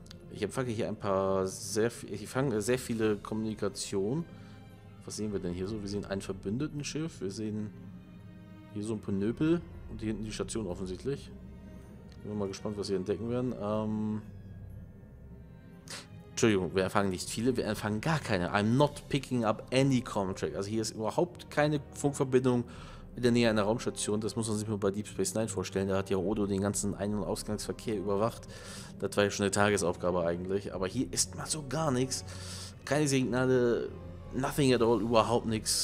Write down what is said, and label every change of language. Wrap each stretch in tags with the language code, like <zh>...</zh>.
<de>Ich empfange hier ein paar sehr, ich fange sehr viele Kommunikation. Was sehen wir denn hier so? Wir sehen ein Verbündetenschiff. Wir sehen hier so ein Panöpel. Und hier hinten die Station offensichtlich. Bin mal gespannt, was wir entdecken werden. Entschuldigung, wir empfangen nicht viele. Wir empfangen gar keine.</de> <en>I'm not picking up any comm track.</en> <de>Also hier ist überhaupt keine Funkverbindung in der Nähe einer Raumstation. Das muss man sich mal bei Deep Space Nine vorstellen. Da hat ja Odo den ganzen Ein- und Ausgangsverkehr überwacht. Das war ja schon eine Tagesaufgabe eigentlich. Aber hier ist mal so gar nichts. Keine Signale,</de> <en>nothing at all,</en> <de>überhaupt nichts.</de>